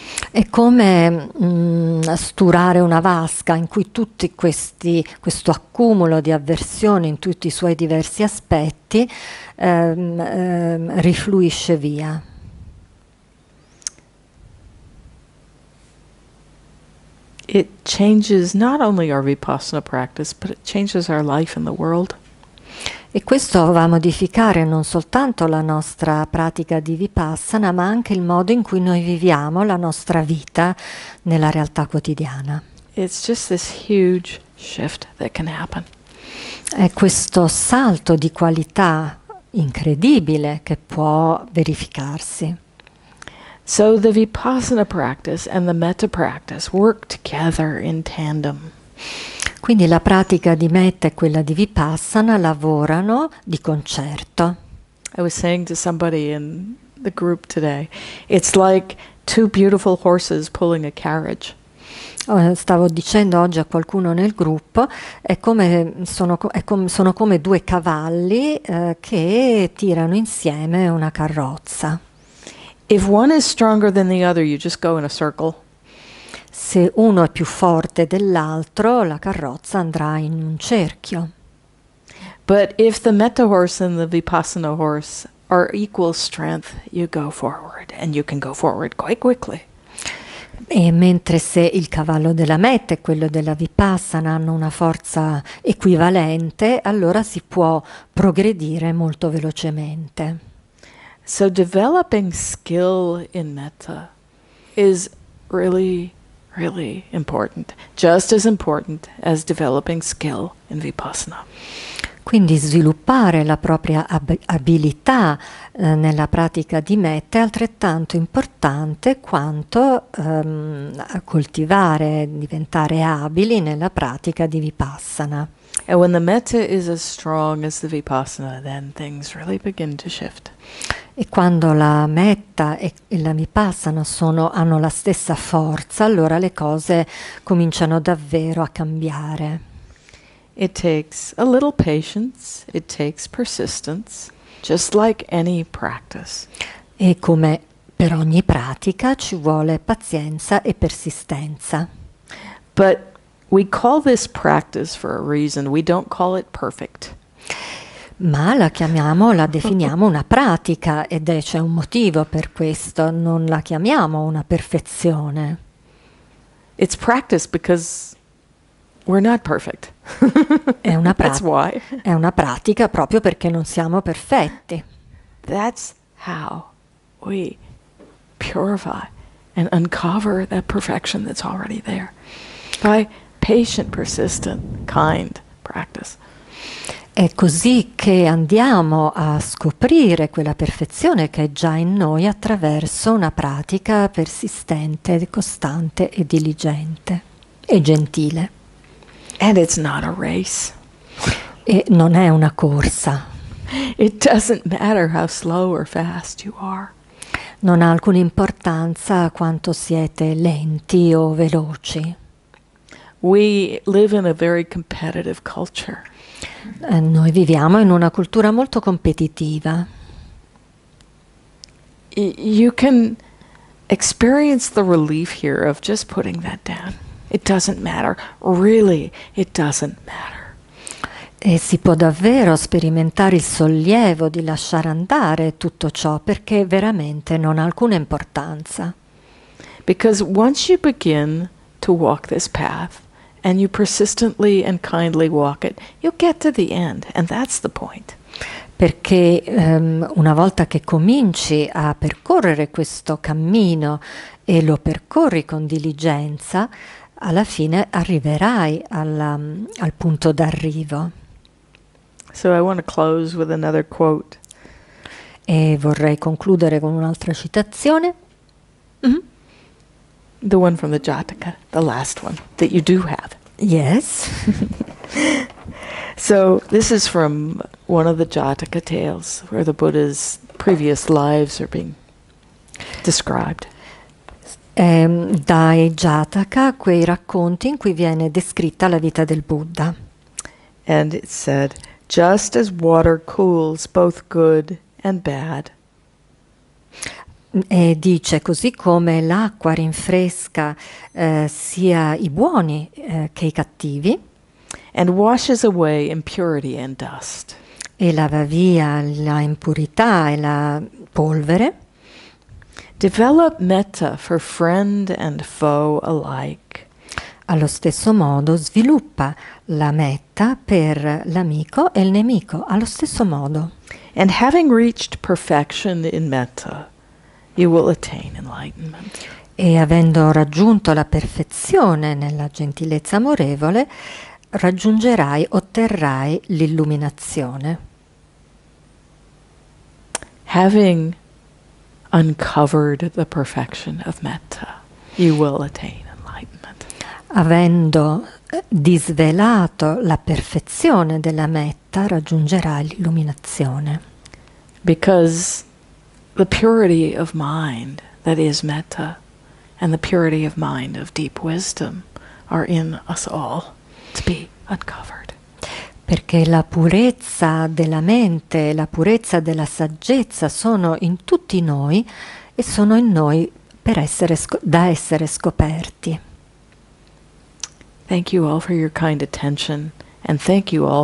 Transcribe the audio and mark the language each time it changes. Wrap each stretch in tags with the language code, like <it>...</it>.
<it>È come sturare una vasca in cui tutti questo accumulo di avversione in tutti i suoi diversi aspetti rifluisce via.</it> <en>It changes not only our vipassana practice, but it changes our life in the world.</en> <it>E questo va a modificare non soltanto la nostra pratica di vipassana, ma anche il modo in cui noi viviamo la nostra vita nella realtà quotidiana.</it> <en>It's just this huge shift that can happen.</en> <it>È questo salto di qualità incredibile che può verificarsi.</it> <en>So the vipassana practice and the metta practice work together in tandem.</en> <it>Quindi la pratica di metta e quella di vipassana lavorano di concerto.</it> <en>I was saying to somebody in the group today, it's like two beautiful horses pulling a carriage.</en> <it>Stavo dicendo oggi a qualcuno nel gruppo, sono come due cavalli che tirano insieme una carrozza.</it> <en>If one is stronger than the other, you just go in a circle.</en> <it>Se uno è più forte dell'altro, la carrozza andrà in un cerchio.</it> <en>But if the metta horse and the vipassana horse are equal strength, you go forward, and you can go forward quite quickly.</en> <it>E mentre se il cavallo della metta e quello della vipassana hanno una forza equivalente, allora si può progredire molto velocemente.</it> <en>So developing skill in metta is really, really important, just as important as developing skill in vipassana.</en> <it>Quindi sviluppare la propria abilità nella pratica di metta è altrettanto importante quanto coltivare, diventare abili nella pratica di vipassana.</it> <en>And when the metta is as strong as the vipassana, then things really begin to shift.</en> <it>E quando la metta e la vipassana hanno la stessa forza, allora le cose cominciano davvero a cambiare.</it> <en>It takes a little patience, it takes persistence, just like any practice.</en> <it>E come per ogni pratica ci vuole pazienza e persistenza.</it> <en>But we call this practice for a reason, we don't call it perfect.</en> <it>Ma la definiamo una pratica ed è c'è un motivo per questo, non la chiamiamo una perfezione.</it> <en>It's practice because we're not perfect.</en> <it>È una pratica proprio perché non siamo perfetti.</it> <en>That's how we purify and uncover that perfection that's already there. By patient, persistent, kind practice.</en> <it>È così che andiamo a scoprire quella perfezione che è già in noi attraverso una pratica persistente, costante e diligente e gentile.</it> <en>And it's not a race.</en> <it>E non è una corsa.</it> <en>It doesn't matter how slow or fast you are.</en> <it>Non ha alcuna importanza quanto siete lenti o veloci.</it> <en>We live in a very competitive culture.</en> <it>Noi viviamo in una cultura molto competitiva.</it> <en>You can experience the relief here of just putting that down. It doesn't matter. Really, it doesn't matter.</en> <it>E si può davvero sperimentare il sollievo di lasciare andare tutto ciò perché veramente non ha alcuna importanza.</it> <en>Because once you begin to walk this path and you persistently and kindly walk it, you'll get to the end, and that's the point.</en> <it>Perché una volta che cominci a percorrere questo cammino e lo percorri con diligenza, alla fine arriverai al punto d'arrivo.</it> <en>So I want to close with another quote.</en> <it>E vorrei concludere con un'altra citazione. Mm-hmm.</it> <en>The one from the Jataka, the last one that you do have. Yes. So this is from one of the Jataka tales where the Buddha's previous lives are being described.</en> <it>Dai Jataka, quei racconti in cui viene descritta la vita del Buddha.</it> <en>And it said, just as water cools both good and bad.</en> <it>E dice, così come l'acqua rinfresca sia i buoni che i cattivi.</it> <en>And washes away impurity and dust.</en> <it>E lava via la impurità e la polvere.</it> <en>Develop metta for friend and foe alike.</en> <it>Allo stesso modo sviluppa la metta per l'amico e il nemico, allo stesso modo.</it> <en>And having reached perfection in metta, you will attain enlightenment.</en> <it>E avendo raggiunto la perfezione nella gentilezza amorevole, raggiungerai, otterrai l'illuminazione.</it> <en>Having uncovered the perfection of metta, you will attain enlightenment.</en> <it>Avendo disvelato la perfezione della meta, raggiungerà l'illuminazione.</it> <en>Because the purity of mind that is metta and the purity of mind of deep wisdom are in us all to be uncovered.</en> <it>Perché la purezza della mente e la purezza della saggezza sono in tutti noi e sono in noi per essere da essere scoperti.</it> <en>Thank you all for your kind attention, and thank you all.</en>